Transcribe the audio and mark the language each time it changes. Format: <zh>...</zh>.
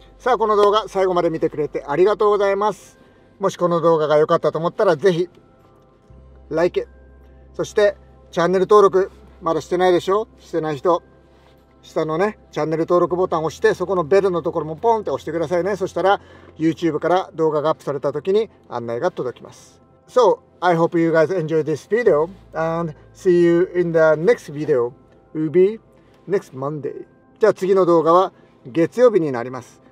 <ja>さあ、この動画最後まで見てくれてありがとうございます。もしこの動画が良かったと思ったらぜひ Like、 そしてチャンネル登録まだしてないでしょ、してない人下のねチャンネル登録ボタンを押して、そこのベルのところもポンって押してくださいね。そしたら YouTube から動画がアップされた時に案内が届きます。</ja> <en>So, I hope you guys enjoy this video and see you in the next video. Will be next Monday.</en> <ja>じゃあ次の動画は月曜日になります。</ja>